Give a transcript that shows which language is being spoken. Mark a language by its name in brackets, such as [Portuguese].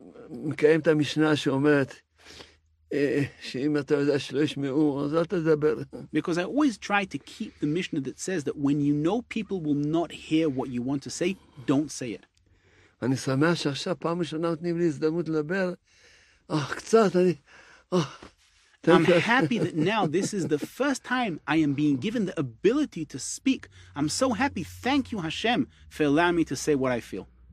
[Hebrew] מקיים את המשנה שאומרת שאם אתה יודע שלא ישמעו אז אל תדבר. [English] Because I always try to keep the Mishnah that says that when you know people will not hear what you want to say, don't say it. [Hebrew] אני שמח שעכשיו פעם ראשונה נותנים לי הזדמנות לדבר. אך קצת אני [English] I'm happy that now this is the first time I am being given the ability to speak. I'm so happy. Thank you Hashem for allowing me to say what I feel.